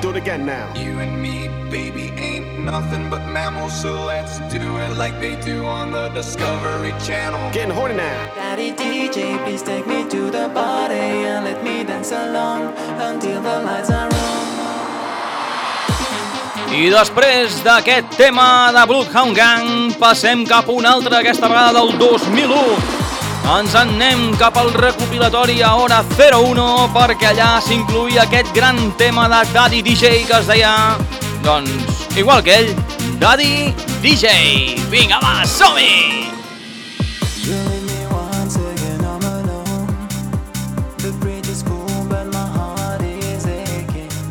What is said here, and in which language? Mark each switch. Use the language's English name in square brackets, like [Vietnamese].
[English] Do it again now. You and me, baby, ain't nothing but mammals. So let's do it like they do on the Discovery Channel. Getting horny now. Daddy DJ, please take me to the party and let me dance along until the lights are on. [Catalan] I després d'aquest tema de Bloodhound Gang, passem cap a un altre, aquesta vegada del 2001. Ens en anem cap al recopilatori a hora 01, perquè allà s'incluïa aquest gran tema de Daddy DJ que es deia, doncs, igual que ell, Daddy DJ. Vinga, va, som-hi! [English] You leave me once again, I'm alone. The bridge is cool, but my heart is aching.